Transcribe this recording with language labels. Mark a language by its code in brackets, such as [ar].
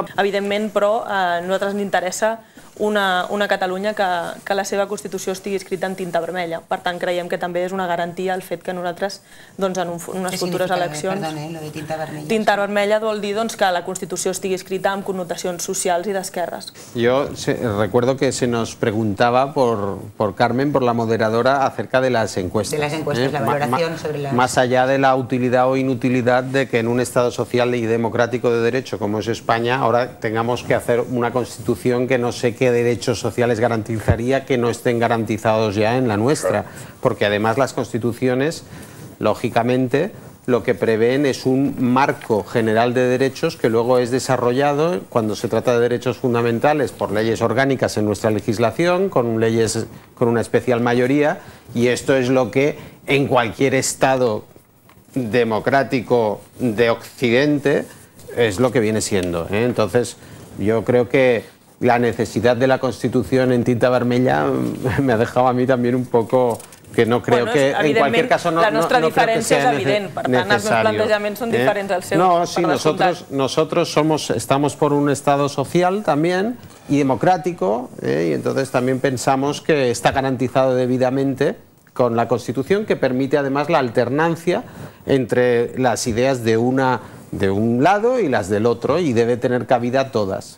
[ca] Evidentment, però, a nosaltres ens interessa una Catalunya que la seva Constitució estigui escrita en tinta vermella. Per tant, creiem que també és una garantia el fet que nosaltres, doncs, en unes futures eleccions... Què significa, perdona, lo de tinta vermella? Tinta vermella vol dir, doncs, que la Constitució estigui escrita amb connotacions socials i d'esquerres. [es] Jo recuerdo que se nos preguntava por Carmen, por la moderadora, acerca de las encuestas. De las encuestas, la valoración sobre las... Más allá de la utilidad o inutilidad de que en un Estado social y democrático de derecho como es España, ahora tengamos que hacer una Constitución que no se qué derechos sociales garantizaría que no estén garantizados ya en la nuestra, porque además las constituciones, lógicamente, lo que prevén es un marco general de derechos que luego es desarrollado cuando se trata de derechos fundamentales por leyes orgánicas en nuestra legislación, con leyes con una especial mayoría, y esto es lo que en cualquier Estado democrático de Occidente es lo que viene siendo, ¿eh? Entonces, yo creo que la necesidad de la Constitución en tinta vermella me ha dejado a mí también un poco que no creo bueno, que en cualquier caso no, [ca] la nostra no diferència és evident, per tant els meus plantejaments són diferents als seus. [es] No, sí, nosotros estamos por un estado social también y democrático, y entonces también pensamos que está garantizado debidamente con la Constitución, que permite además la alternancia entre las ideas de una de un lado y las del otro, y debe tener cabida todas.